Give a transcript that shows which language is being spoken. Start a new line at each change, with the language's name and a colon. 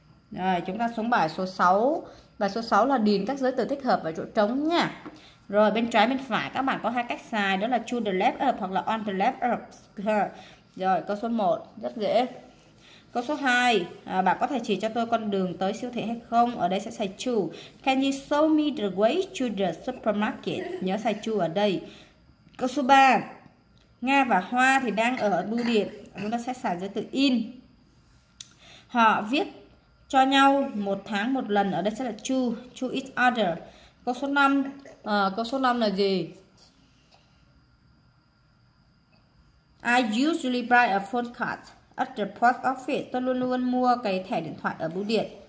Vietnamese: Rồi chúng ta xuống bài số 6. Bài số 6 là điền các giới từ thích hợp vào chỗ trống nha. Rồi bên trái bên phải các bạn có hai cách xài, đó là
English: to the left of
Vietnamese: hoặc là
English: on the left of.
Vietnamese: Rồi câu số 1 rất dễ. Câu số 2, bạn có thể chỉ cho tôi con đường tới siêu thị hay không? Ở đây sẽ xài to.
English: Can you show me the way to the supermarket?
Vietnamese: Nhớ xài to ở đây. Câu số 3, Nga và Hoa thì đang ở bưu điện. Chúng ta sẽ xài giới từ in. Họ viết cho nhau một tháng một lần. Ở đây sẽ là to,
English: to each other.
Vietnamese: Câu số 5, câu số 5 là gì?
English: I usually buy a phone card at the post office.
Vietnamese: Tôi luôn luôn mua cái thẻ điện thoại ở bưu điện.